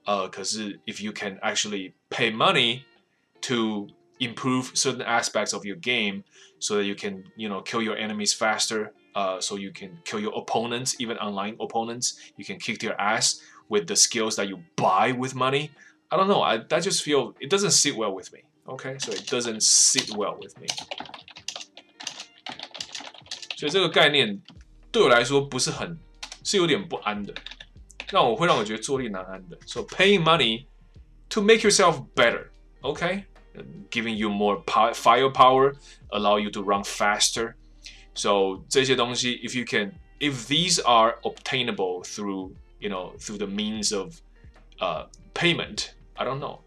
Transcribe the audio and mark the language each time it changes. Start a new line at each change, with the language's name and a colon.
English: 可是 if you can actually pay money to improve certain aspects of your game so that you can, you know, kill your enemies faster, so you can kill your opponents, even online opponents, you can kick their ass. With the skills that you buy with money, I don't know. I just feel it doesn't sit well with me. Okay, so it doesn't sit well with me.
Chinese: 所以这个概念对我来说不是很，是有点不安的，让我觉得坐立难安的。
English: So paying money to make yourself better, okay, giving you more firepower, allow you to run faster. So
Chinese: 这些东西
English: if these are obtainable through. You know, through the means of payment, I don't know.